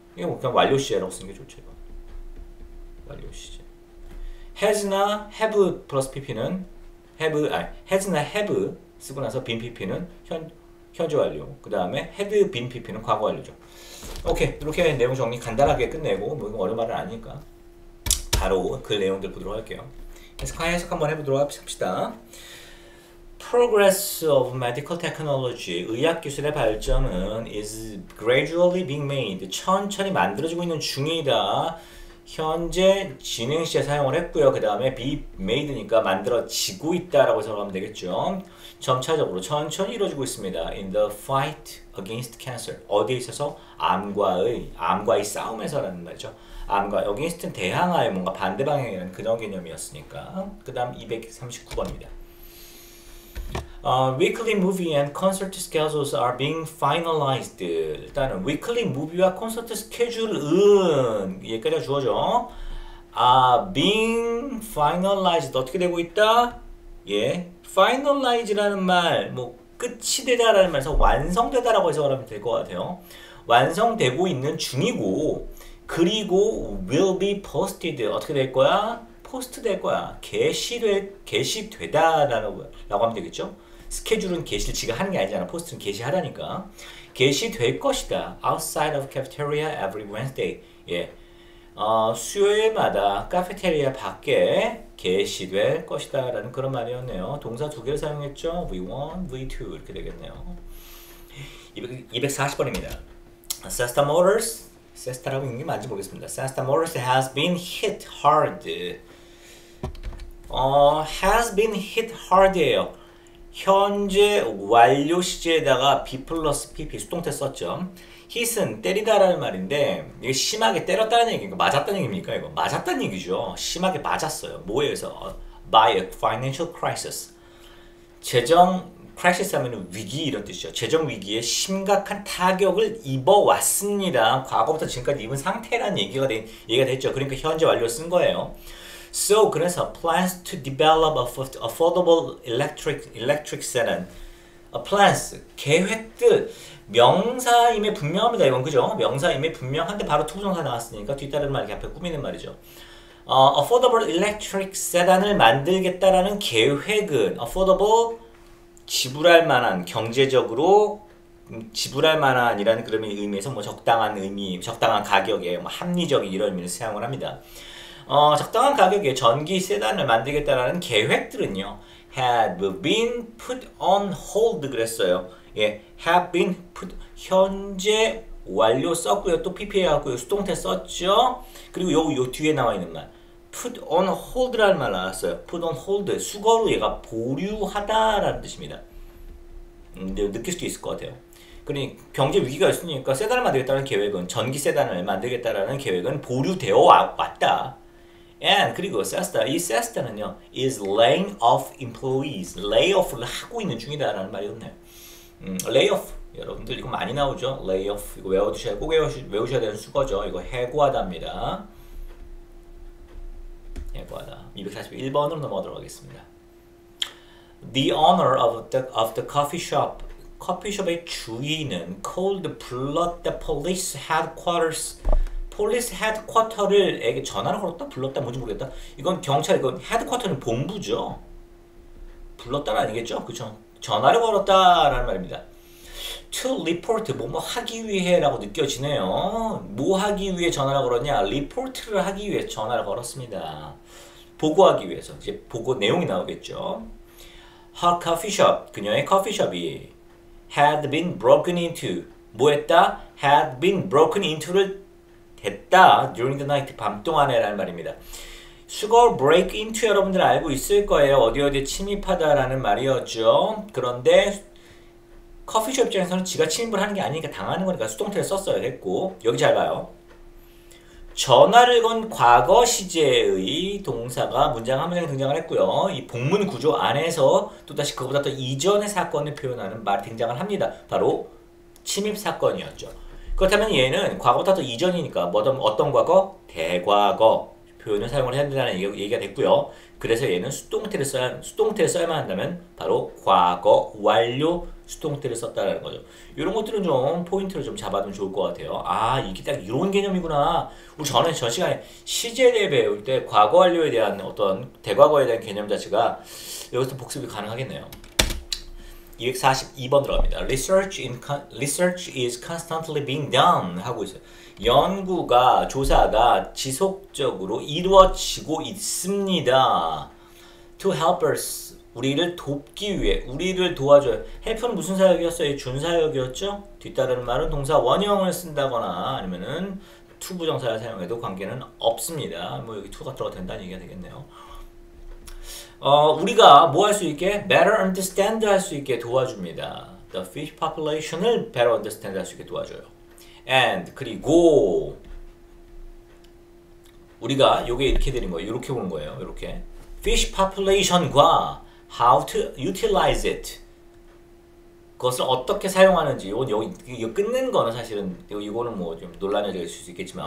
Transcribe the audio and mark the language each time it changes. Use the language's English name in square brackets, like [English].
[Korean] 이거 뭐 그냥 완료 시제라고 쓰는 게 좋죠. 이거 완료 시제 has나 have plus PP는 have 아니 has나 have 쓰고 나서 been PP는 현재 완료 그 다음에 had been PP는 과거 완료죠. 오케이, 이렇게 내용 정리 간단하게 끝내고, 뭐 이거 어려운 말은 아니니까 바로 그 내용들 보도록 할게요. 해석 한번 해보도록 합시다. [English] Progress of medical technology, [Korean] 의학기술의 발전은 [English] is gradually being made, [Korean] 천천히 만들어지고 있는 중이다. 현재 진행시에 사용을 했고요. 그 다음에 be made니까 만들어지고 있다라고 생각하면 되겠죠. 점차적으로 천천히 이루어지고 있습니다. [English] In the fight against cancer. [Korean] 어디에 있어서? 암과의 싸움에서라는 말이죠. 암과, against는 대항하에 뭔가 반대방향이라는 그런 개념이었으니까. 그 다음 239번입니다. [English] Weekly movie and concert schedules are being finalized. [Korean] 일단은 weekly movie와 concert schedule은 여기까지가 주어져. [English] are being finalized [Korean] 어떻게 되고 있다? 예, finalize라는 말, 뭐 끝이 되다라는 말에서 완성되다라고 해석하면 될것 같아요. 완성되고 있는 중이고, 그리고 [English] will be posted [Korean] 어떻게 될 거야? post 될 거야. 게시되다라고 하면 되겠죠? 스케줄은 게시를 지가 하는 게 아니잖아. 포스트는 게시하다니까. 게시될 것이다. [English] Outside of cafeteria every Wednesday. [Korean] 예. 수요일마다 카페테리아 밖에 게시될 것이다. 라는 그런 말이었네요. 동사 두 개를 사용했죠. V1, V2. 이렇게 되겠네요. 240번입니다. Sesta Motors. Sesta라고 읽는 게 맞는지 모르겠습니다. [English] Sesta Motors has been hit hard. Has been hit hard예요. [Korean] 현재 완료 시제에다가 be 플러스 pp 수동태 썼죠. hit은 때리다라는 말인데, 이게 심하게 때렸다는 얘기인가? 맞았다는 얘기입니까? 이거 맞았다는 얘기죠. 심하게 맞았어요. 뭐에서? [English] by a financial crisis. [Korean] 재정 crisis 하면 위기 이런 뜻이죠. 재정 위기에 심각한 타격을 입어왔습니다. 과거부터 지금까지 입은 상태라는 얘기가 됐죠. 그러니까 현재 완료 쓴 거예요. [English] So, [Korean] 그래서 [English] plans to develop affordable electric sedan. [Korean] Plans, 계획들, 명사임에 분명합니다. 이건 그죠? 명사임에 분명한데 바로 투부정사 나왔으니까 뒤따르는 말 이렇게 앞에 꾸미는 말이죠. [English] Affordable electric sedan [Korean] 을 만들겠다라는 계획은 affordable, 지불할 만한, 경제적으로 지불할 만한이라는 그런 의미에서 뭐 적당한 의미, 적당한 가격에 뭐 합리적인 이런 의미를 사용을 합니다. 적당한 가격에 전기 세단을 만들겠다라는 계획들은요, [English] Have been put on hold [Korean] 그랬어요. 예, [English] have been put [Korean] 현재 완료 썼고요. 또 PP에 갖고요. 수동태 썼죠. 그리고 요 뒤에 나와 있는 말, [English] put on hold [Korean] 라는 말 나왔어요. [English] put on hold [Korean] 수거로 얘가 보류하다라는 뜻입니다. 느낄 수도 있을 것 같아요. 그러니 경제 위기가 있으니까 세단을 만들겠다는 계획은, 전기 세단을 만들겠다라는 계획은 보류되어 왔다. And 그리고 Cesta, 이 Cesta는요, [English] is laying off employees, [Korean] layoff를 하고 있는 중이다라는 말이었네요. Layoff 여러분들 이거 많이 나오죠? Layoff 이거 외워두셔야, 꼭 외우셔야 되는 수거죠. 이거 해고하답니다. 해고하다. 241번으로 넘어가도록 하겠습니다. [English] The owner of the coffee shop, [Korean] 커피숍의 주인은 [English] called blood the police headquarters. [Korean] Police headquarter를에게 전화를 걸었다? 불렀다? 뭔지 모르겠다. 이건 경찰, 이건 headquarter는 본부죠. 불렀다는 아니겠죠? 그쵸? 전화를 걸었다라는 말입니다. To report, 뭐뭐 하기 위해라고 느껴지네요. 뭐 하기 위해 전화를 걸었냐? report를 하기 위해 전화를 걸었습니다. 보고하기 위해서. 이제 보고 내용이 나오겠죠. [English] Her coffee shop, [Korean] 그녀의 커피숍이 [English] had been broken into. [Korean] 뭐 했다? had been broken into를 했다, during the night, 밤동안에라는 말입니다. 수거 break into 여러분들 알고 있을 거예요. 어디 어디 침입하다라는 말이었죠. 그런데 커피숍 입장에서는 지가 침입을 하는 게 아니니까 당하는 거니까 수동태를 썼어야 했고, 여기 잘 봐요. 전화를 건 과거 시제의 동사가 문장 한 문장에 등장을 했고요. 이 복문 구조 안에서 또다시 그거보다 더 이전의 사건을 표현하는 말이 등장을 합니다. 바로 침입 사건이었죠. 그렇다면 얘는 과거보다 더 이전이니까 뭐든 어떤 과거? 대과거 표현을 사용을 해야 된다는 얘기가 됐고요. 그래서 얘는 수동태를 써야만 한다면 바로 과거 완료 수동태를 썼다라는 거죠. 이런 것들은 좀 포인트를 좀 잡아두면 좋을 것 같아요. 아, 이게 딱 이런 개념이구나. 우리 전에 전 시간에 시제를 배울 때 과거 완료에 대한 어떤 대과거에 대한 개념 자체가 여기서 복습이 가능하겠네요. 242번 들어갑니다. [English] Research is constantly being done [Korean] 하고 있어요. 연구가, 조사가 지속적으로 이루어지고 있습니다. [English] To help us, [Korean] 우리를 돕기 위해, 우리를 도와줘요. Help은 무슨 사역이었어요? 준사역이었죠? 뒤따르는 말은 동사 원형을 쓴다거나 아니면은 to 부정사를 사용해도 관계는 없습니다. 뭐 여기 to가 들어가도 된다는 얘기가 되겠네요. 우리가 뭐할수 있게? [English] Better understand [Korean] 할수 있게 도와줍니다. [English] The fish population을 better understand [Korean] 할수 있게 도와줘요. And, 그리고, 우리가 요게 이렇게 드린 거예요. 이렇게 보는 거예요. 이렇게. [English] Fish population과 how to utilize it. [Korean] 그것을 어떻게 사용하는지. 이거 끊는 거는 사실은, 이거는 뭐좀 논란이 될수 있겠지만.